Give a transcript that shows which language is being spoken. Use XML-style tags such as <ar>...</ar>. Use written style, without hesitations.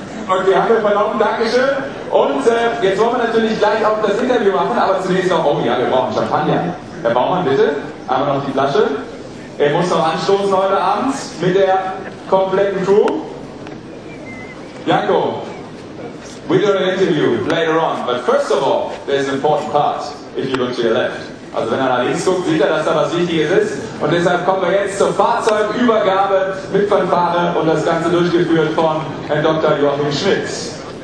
<de>Okay, haben wir verlaufen, Dankeschön. Und jetzt wollen wir natürlich gleich auch das Interview machen, aber zunächst noch, oh ja, wir brauchen Champagner. Herr Baumann, bitte, einmal noch die Flasche. Er muss noch anstoßen heute Abend mit der kompletten Crew.</de> <en>Janko, we do an interview later on, but first of all, there's an important part, if you look to your left.</en> <de>Also wenn er nach links guckt, sieht er, dass da was Wichtiges ist. Und deshalb kommen wir jetzt zur Fahrzeugübergabe mit Fanfare und das Ganze durchgeführt von Herrn Dr. Joachim Schmitz.</de>